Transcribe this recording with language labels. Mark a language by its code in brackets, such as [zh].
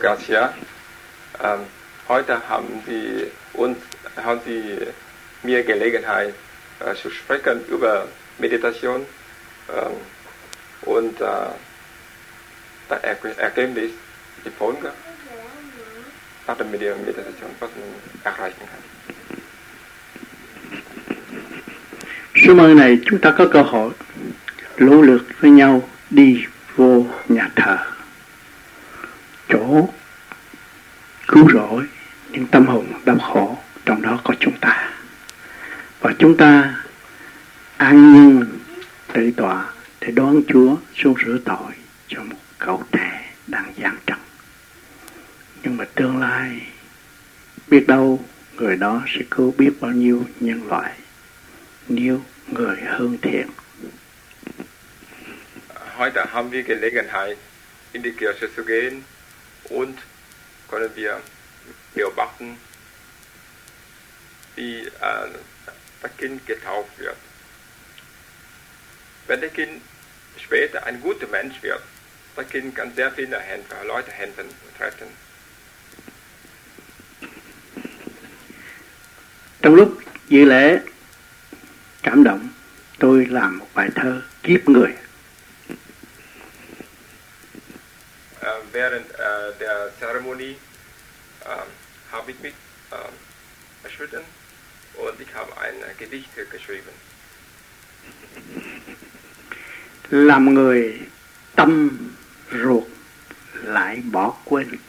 [de] Garcia, heute haben Sie mir Gelegenheit zu sprechen über Meditation und da Erkenntnis, die Folge nach der Meditation, was man erreichen kann. [vi] Sự mời này chúng ta có cơ hội lỗ lực với nhau đi vô nhà thờ, chỗ cứu rỗi những tâm hồn đau khổ, trong đó có chúng ta. Và chúng ta an nhiên tự tọa để đón Chúa xuống rửa tội cho một cậu trẻ đang giáng trần. Nhưng mà tương lai biết đâu người đó sẽ cứu biết bao nhiêu nhân loại nếu người hương thiện. [de] Heute haben wir Gelegenheit in die Kirche zu gehen und können wir beobachten, wie das Kind getauft wird. Wenn das Kind später ein guter Mensch wird, das Kind kann sehr viele Hände, Leute Hände retten. [vi] Trong lúc dự lễ cảm động, tôi làm một bài thơ kiếp người. [de] Während der Zeremonie habe ich mich erschüttert und ich habe ein Gedicht geschrieben. [vi] Làm người tâm ruột lại bỏ quên.